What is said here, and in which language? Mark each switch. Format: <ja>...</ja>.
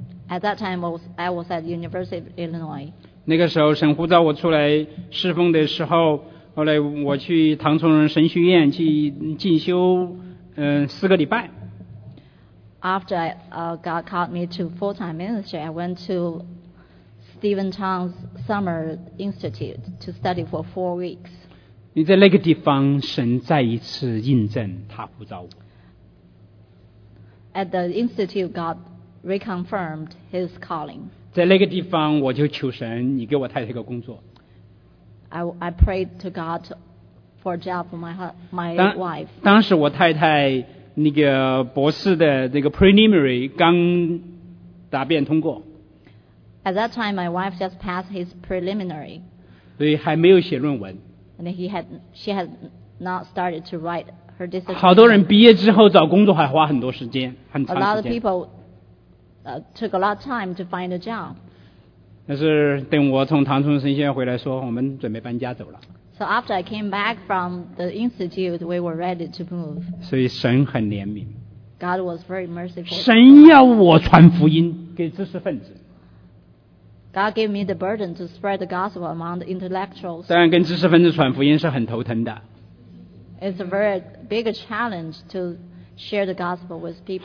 <en>At that time, I was at University of Illinois.</en> <zh>那个时候神呼召我出来侍奉的时候，后来我去唐崇荣神学院去进修，四个礼拜。</zh> <en>After God called me to full-time ministry, I went to Stephen Chang's Summer Institute to study for 4 weeks.</en> <zh>你在那个地方，神再一次印证他呼召我。</zh> <en>At the institute, God reconfirmed His calling.</en> <zh>在那个地方，我就求神，你给我太太一个工作。</zh> <en>I prayed to God for a job for my wife.</en> <zh>当时我太太那个博士的那个 preliminary 刚答辩通过。</zh> <en>At that time, my wife just passed his preliminary.</en> <zh>所以还没有写论文。</zh> <en>And she had not started to write her dissertation.</en> <zh>好多人毕业之后找工作还花很多时间，很长时间。</zh> <en>A lot of people took a lot of time to find a job.</en> <zh>但是等我从唐崇荣神学院回来说，我们准备搬家走了。</zh> <en>So after I came back from the institute, we were ready to move.</en> <zh>所以神很怜悯。</zh> <en>God was very merciful.</en> <zh>神要我传福音给知识分子。</zh> <en>God gave me the burden to spread the gospel among the intellectuals.</en> <zh>当然跟知识分子传福音是很头疼的。</zh> <en>It's a very big challenge to share the gospel with people.</en>